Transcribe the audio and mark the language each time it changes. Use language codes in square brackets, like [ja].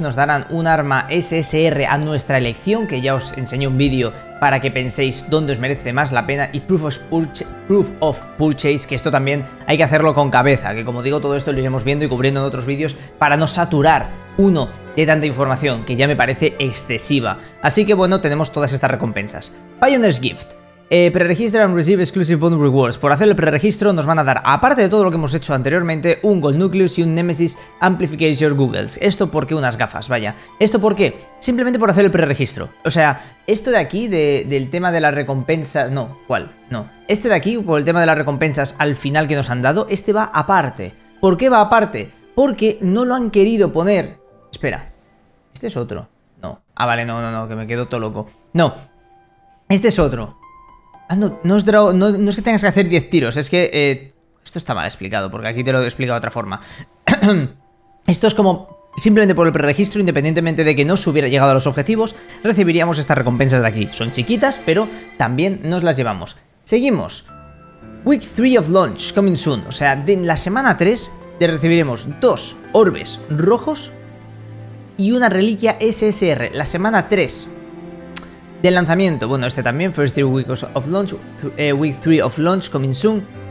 [es] Nos darán un arma SSR a nuestra elección. Que ya os enseñé un vídeo para que penséis dónde os merece más la pena. Y Proof of Purchase. Que esto también hay que hacerlo con cabeza. Que como digo, todo esto lo iremos viendo y cubriendo en otros vídeos. Para no saturar uno de tanta información, que ya me parece excesiva. Así que bueno, tenemos todas estas recompensas. [en] Pioneer's Gift. Preregister and receive exclusive bonus rewards. [es] Por hacer el preregistro nos van a dar, aparte de todo lo que hemos hecho anteriormente, un Gold Nucleus y un Nemesis Amplification Googles. ¿Esto por qué? Unas gafas, vaya. ¿Esto por qué? Simplemente por hacer el preregistro. O sea, esto de aquí, del tema de las recompensas... No, ¿cuál? No. Este de aquí, por el tema de las recompensas al final que nos han dado, este va aparte. ¿Por qué va aparte? Porque no lo han querido poner... Espera. ¿Este es otro? No. Ah, vale, no, no, no, que me quedo todo loco. No. Este es otro. Ah, no, no es, no es que tengas que hacer 10 tiros, es que... esto está mal explicado, porque aquí te lo he explicado de otra forma. Esto es como... Simplemente por el preregistro, independientemente de que no se hubiera llegado a los objetivos, recibiríamos estas recompensas de aquí. Son chiquitas, pero también nos las llevamos. Seguimos. [en] Week 3 of launch, coming soon. [es] O sea, en la semana 3... Te recibiremos 2 orbes rojos y una reliquia SSR. La semana 3 del lanzamiento. Bueno, este también. [en] First 3 weeks of launch. Week 3 of launch coming soon.